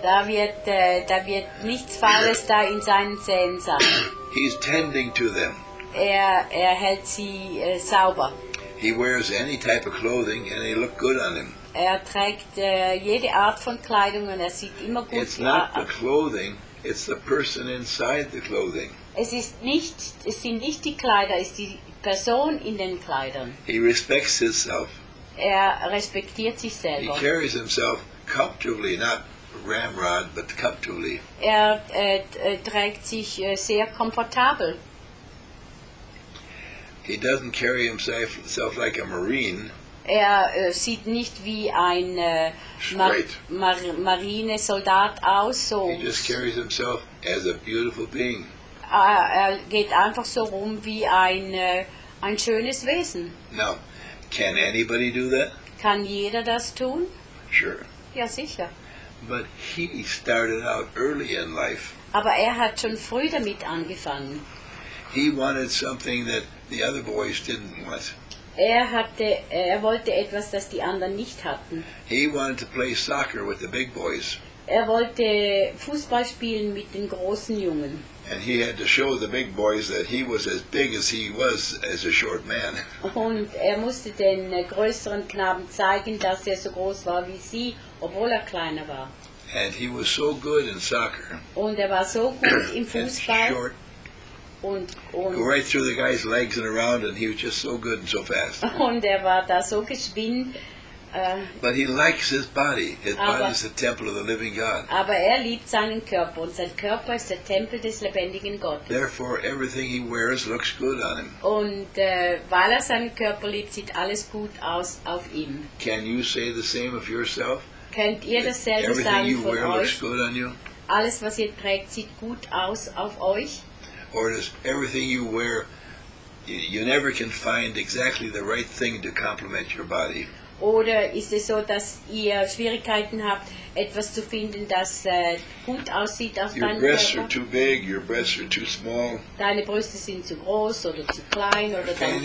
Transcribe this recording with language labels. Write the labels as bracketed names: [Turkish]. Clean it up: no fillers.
[German] Da wird nichts Faules da in seinen Zähnen sein. [English] He's tending to them. [German] Er hält sie sauber. [English] He wears any type of clothing and they look good on him. [German] Er trägt jede Art von Kleidung und er sieht immer gut aus. [English] It's not the clothing, it's the person inside the clothing. [German] Es sind nicht die Kleider, es ist die Person in den Kleidern. [English] He respects himself. [German] Er respektiert sich selber. [English] He carries himself comfortably, not ramrod, but comfortably. [German] Er trägt sich sehr komfortabel. [English] He doesn't carry himself like a marine. [German] Er sieht nicht wie ein Marinesoldat aus. So. [English] He just carries himself as a beautiful being. [German] Er geht einfach so rum wie ein schönes Wesen. [English] Now, can anybody do that? [German] Kann jeder das tun? [English] Sure. [German] Ja, sicher. [English] But he started out early in life. [German] Aber er hat schon früh damit angefangen. [English] He wanted something that the other boys didn't want. [German] Er wollte etwas, das die anderen nicht hatten. [English] He wanted to play soccer with the big boys. [German] Er wollte Fußball spielen mit den großen Jungen. [English] And he had to show the big boys that he was as big as he was as a short man. [German] Und er musste den größeren Knaben zeigen, dass er so groß war wie sie, obwohl er kleiner war. [English] And he was so good in soccer. [German] Und er war so gut im Fußball. [English] And short. [German] Und [English] go right through the guy's legs and around, and he was just so good and so fast. [German] Und er war da so geschwind. [English] But he likes his body. His body is the temple of the living God. [German] Aber er liebt seinen Körper und sein Körper ist der Tempel des lebendigen Gottes. [English] Therefore, everything he wears looks good on him. [German] Und weil er seinen Körper liebt, sieht alles gut aus auf ihm. [English] Can you say the same of yourself? [German] Könnt ihr dasselbe sagen von euch? [English] Everything you wear looks good on you. [German] Alles was ihr trägt sieht gut aus auf euch. [English] Or does everything you wear, you never can find exactly the right thing to complement your body? [German] Oder ist es so, dass ihr Schwierigkeiten habt, etwas zu finden, das gut aussieht auf deinem Körper? [English] Your breasts are too big, your breasts are too small. [German] Deine Brüste sind zu groß oder zu klein oder dein Hintern.